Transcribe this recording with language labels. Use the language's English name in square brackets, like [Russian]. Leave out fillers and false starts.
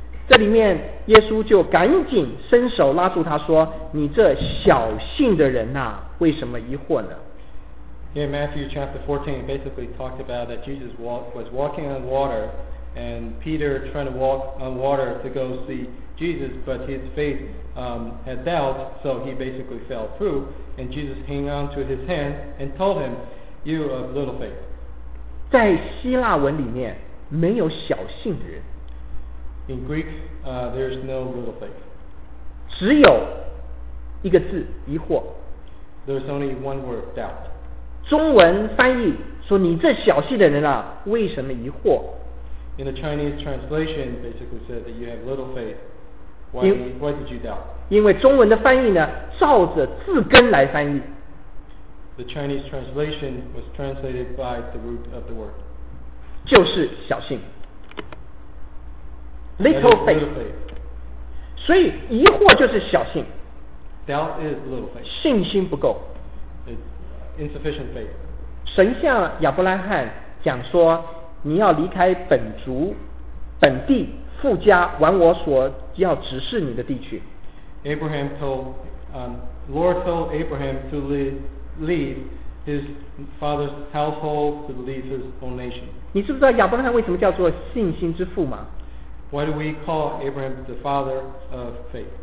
[Chinese] 这里面耶稣就赶紧伸手拉住他说，你这小信的人啊，为什么疑惑呢？ [English] In Matthew chapter 14 basically talked about that Jesus was walking on water and Peter trying to walk on water to go see Jesus, but his faithhad doubt, so he basically fell through, and Jesus hung on to his hand and told him, you of little faith. [Chinese] 在希腊文里面没有小信的人。 [English] In Greek, there's no little faith. [Chinese] 只有一个字，疑惑。 [English] There's only one word, doubt. [Chinese] 中文翻译说你这小信的人啊，为什么疑惑？ [English] In the Chinese translation, basically said that you have little faith. Why did you doubt? [Chinese] 因为中文的翻译呢，照着字根来翻译。 [English] The Chinese translation was translated by the root of the word. [Chinese] 就是小信。 [English] Little faith. [Chinese] 所以疑惑就是小信。 [English] Doubt is little faith. [Chinese] 信心不够。 [English] It's insufficient faith. [Chinese] 神向亚伯拉罕讲说，你要离开本族、本地。父家往我所要指示你的地区。 [English] Abraham told Abraham to leave his father's household, to leave his own nation. [Chinese] 你知不知道亚伯拉罕为什么叫做信心之父吗？ [English] Why do we call Abraham the father of faith?